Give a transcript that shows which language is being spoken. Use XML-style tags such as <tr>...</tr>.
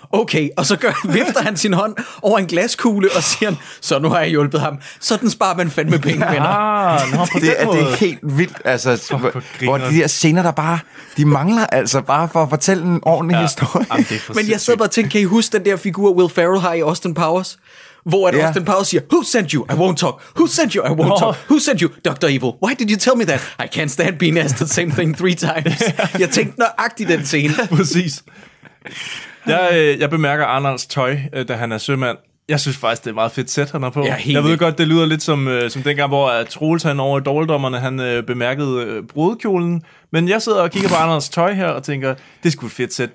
<da>Okay, og så vifter han sin hånd over en glaskugle og siger, så nu har jeg hjulpet ham. Sådan sparer man fandme penge, venner. Ja, det er helt vildt, altså, hvor de der scener, der bare, de mangler altså bare for at fortælle en ordentlig historie. Jamen, men jeg sidder bare og tænker, kan I huske den der figur, Will Ferrell har i Austin Powers? Hvor at Austin Powers siger,</da> <en>who sent you? I won't talk. Who sent you? I won't talk. Who sent you? Dr. Evil. Why did you tell me that? I can't stand being asked the same thing three times.</en> <da>Jeg tænkte nøjagtigt den scene. Præcis. Jeg bemærker Arnolds tøj, da han er sømand. Jeg synes faktisk, det er meget fedt sæt, han er på. Jeg ved godt, det lyder lidt som dengang, hvor Troels han over i Dårligdommerne, han bemærkede brudekjolen. Men jeg sidder og kigger på Anders tøj her og tænker, det er sgu et fedt sæt.</da>